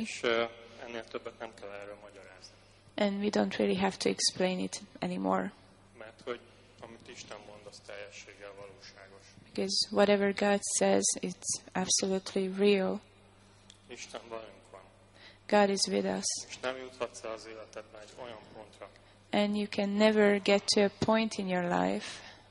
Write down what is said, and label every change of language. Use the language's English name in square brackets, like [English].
[Hungarian] És ennél többet nem kell erről magyarázni. [English] And we don't really have to explain it anymore. [Hungarian] Mert hogy amit Isten mond, az teljességgel valóságos. [English] Because whatever God says, it's absolutely real. [Hungarian] Isten velünk van. [English] God is with us. [Hungarian] És nem juthatsz az életedbe egy olyan pontra. [English] And you can never get to a point in your life